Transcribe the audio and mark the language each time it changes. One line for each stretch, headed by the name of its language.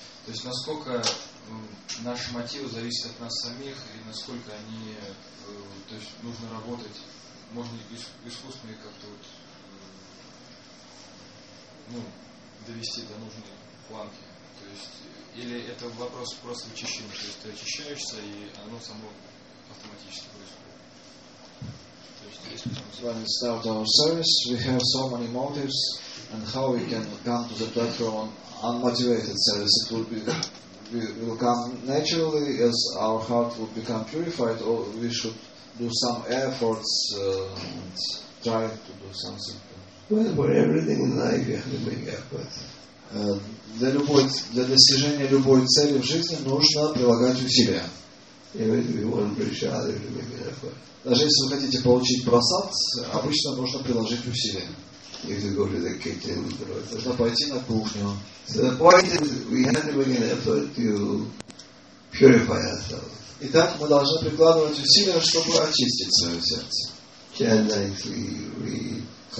Russian: То есть насколько наши мотивы зависят от нас самих и насколько они, то есть нужно работать, можно искусственно их как-то вот, ну, довести до нужной планки. То есть, или это вопрос просто очищения, то есть ты очищаешься и оно само автоматически происходит.
English: When we start our service, we have so many motives, and how we can come to the platform on unmotivated service, it will be, we will come naturally as our heart will become purified, or we should do some efforts and try to do something. Well, for everything in life, you have to make efforts.
Russian: Для достижения любой цели в жизни нужно прилагать усилия.
English: Even if you want prasada, you make an effort.
Russian: Даже если вы хотите получить просад, обычно нужно приложить усилия. Нужно пойти на кухню. Итак, мы должны прикладывать усилия, чтобы очистить свое сердце.